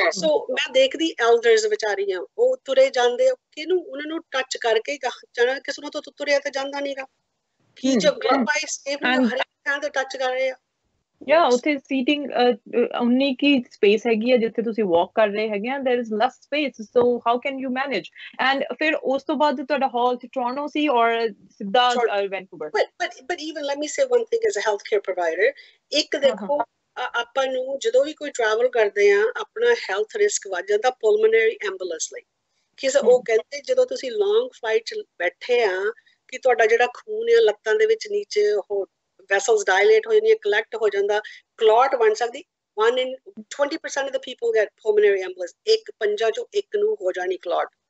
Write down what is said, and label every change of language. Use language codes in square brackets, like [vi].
[pa] ਸੋ ਮੈਂ ਦੇਖਦੀ ਐਲਡਰਸ ਵਿਚਾਰੀ ਆ, ਉਹ ਤੁਰੇ ਜਾਂਦੇ, ਕਿਹਨੂੰ, ਉਹਨਾਂ ਨੂੰ ਟੱਚ ਕਰਕੇ ਜਾਣਾ, ਕਿਸੇ ਨੂੰ ਤੁਰਿਆ ਤਾਂ ਜਾਂਦਾ ਨੀਗਾ, ਕੀ ਜਗ੍ਹਾ ਪਾਈ ਸੇਫ ਹਰੇਕ ਥਾਂ ਤੇ ਟੱਚ ਕਰ ਰਹੇ ਆ। ਯਾ ਉੱਥੇ ਸੀਟਿੰਗ ਉਨੀ ਕੀ ਸਪੇਸ ਹੈਗੀ ਹੈ ਜਿੱਥੇ ਤੁਸੀਂ ਵਾਕ ਕਰ ਰਹੇ ਹੈਗੇ ਆ, [en] There is less space, so how can you manage? [pa] And ਫਿਰ ਉਸ ਤੋਂ ਬਾਅਦ ਤੁਹਾਡਾ ਹਾਲ ਟੋਰਾਂਟੋ ਸੀ ਔਰ ਸਿੱਧਾ Vancouver? [en] But even let me say one thing as a healthcare provider. [pa] ਇੱਕ ਹਾਂ ਦੇਖੋ ਆਪਾਂ ਨੂੰ ਜਦੋਂ ਵੀ ਕੋਈ ਟਰੈਵਲ ਕਰਦੇ ਆ ਆਪਣਾ ਹੈਲਥ ਰਿਸਕ ਵੱਧ ਜਾਂਦਾ ਪਲਮੋਨਰੀ ਐਂਬੂਲੈਂਸ ਲਈ, ਕਿ ਉਹ ਕਹਿੰਦੇ ਜਦੋਂ ਤੁਸੀਂ ਲੌਂਗ ਫਲਾਈਟ 'ਚ ਬੈਠੇ ਆ ਕਿ ਤੁਹਾਡਾ ਜਿਹੜਾ ਖੂਨ ਆ ਲੱਤਾਂ ਦੇ ਵਿੱਚ ਨੀਚੇ ਉਹ ਵੈਸਲਸ ਡਾਇਲੇਟ ਹੋ ਜਾਂਦੀਆਂ, ਕਲੈਕਟ ਹੋ ਜਾਂਦਾ, ਕਲੌਟ ਬਣ ਸਕਦੀ, [en] 1 in 20% of the people get pulmonary embolism, [pa] ਇੱਕ ਪੰਜਾਂ 'ਚੋਂ ਇੱਕ ਨੂੰ ਹੋ ਜਾਣੀ ਕਲੌਟ.